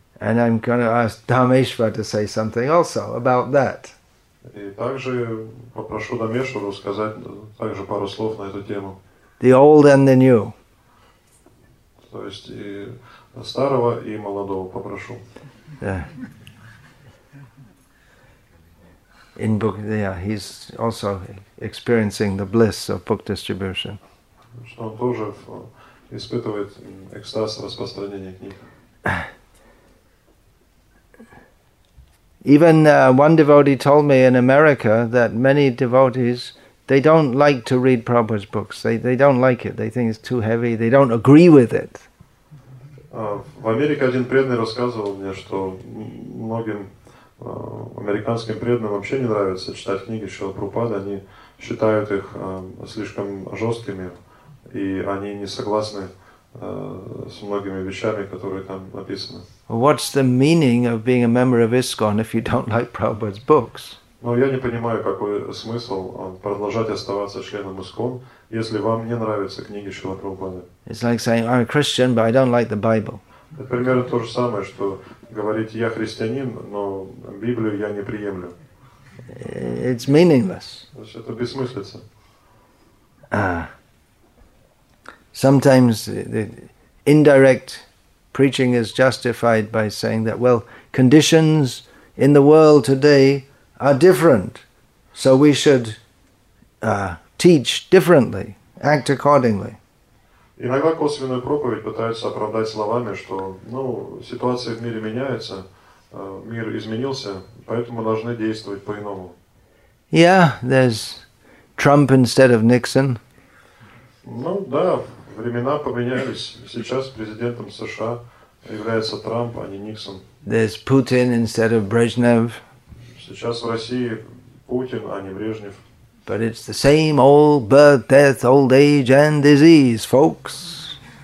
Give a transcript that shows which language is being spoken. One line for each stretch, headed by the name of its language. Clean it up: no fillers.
English: And I'm going to ask Dharmeshwar to say something also about that.
Russian: И также попрошу Дамешвару сказать также пару слов на эту тему.
English: The old and the new.
Russian: То есть и старого, и молодого попрошу. Yeah.
English: In book, yeah, he's also experiencing the bliss of book distribution.
Russian: Что он тоже испытывает экстаз распространения книг.
English: Even one devotee told me in America that many devotees, they don't like to read Prabhupada's books. They don't like it. They think it's too heavy. They don't agree with it.
Russian: В Америке один преданный рассказывал мне, что многим американским преданным вообще не нравится читать книги Шрилы Прабхупады. Они считают их слишком жесткими, и они не согласны с многими вещами, которые там написаны.
English: What's the meaning of being a member of ISKCON if you don't like Prabhupada's books?
Russian: Ну, я не понимаю, какой смысл продолжать оставаться членом ISKCON, если вам не нравятся книги Шрилы Прабхупады.
English: It's like saying, I'm a Christian, but I don't like the Bible.
Russian: Это примерно то же самое, что говорить, я христианин, но Библию я не приемлю.
English: It's meaningless.
Russian: То есть это бессмыслица.
English: Sometimes the indirect preaching is justified by saying that, well, conditions in the world today are different, so we should teach differently, act accordingly.
Russian: Иногда косвенную проповедь пытаются оправдать словами, что, ну, ситуация в мире меняется, мир изменился, поэтому должны действовать по-иному.
English: Yeah, there's Trump instead of Nixon.
Russian: Ну, да. Времена поменялись. Сейчас президентом США является Трамп, а не Никсон.
English: There's Putin instead of Brezhnev.
Russian: Сейчас в России Путин, а не Брежнев.
English: But it's the same old birth, death, old age and disease, folks.